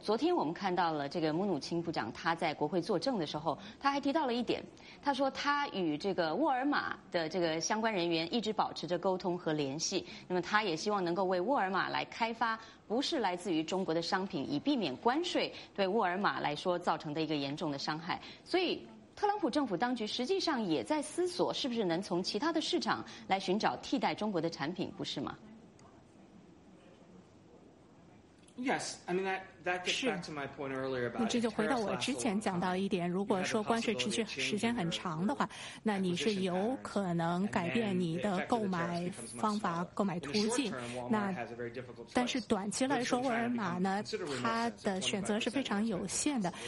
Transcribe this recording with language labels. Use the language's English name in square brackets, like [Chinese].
[Chinese] 昨天我们看到了这个穆努钦部长，他在国会作证的时候，他还提到了一点，他说他与这个沃尔玛的这个相关人员一直保持着沟通和联系，那么他也希望能够为沃尔玛来开发不是来自于中国的商品，以避免关税对沃尔玛来说造成的一个严重的伤害。所以特朗普政府当局实际上也在思索是不是能从其他的市场来寻找替代中国的产品，不是吗？ [English] Yes, I mean that gets back to my point earlier about. [Chinese] 这就回到我之前讲到一点，如果说关税持续时间很长的话，那你是有可能改变你的购买方法、购买途径。那但是短期来说，沃尔玛呢，它的选择是非常有限的。